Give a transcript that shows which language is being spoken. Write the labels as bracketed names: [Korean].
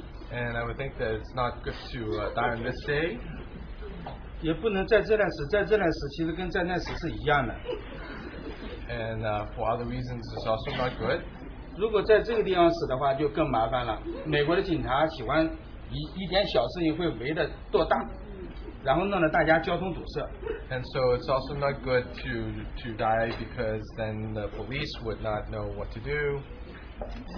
[English] and I would think that it's not good to die on this day. [Chinese] 也不能再这样死, [English] and for other reasons, it's also not good. [Chinese] 如果在这个地方死的话, 就更麻烦了, 美国的警察喜欢 一点小事情会围着多大, 然后弄得大家交通堵塞, [English] and so it's also not good to die because then the police would not know what to do.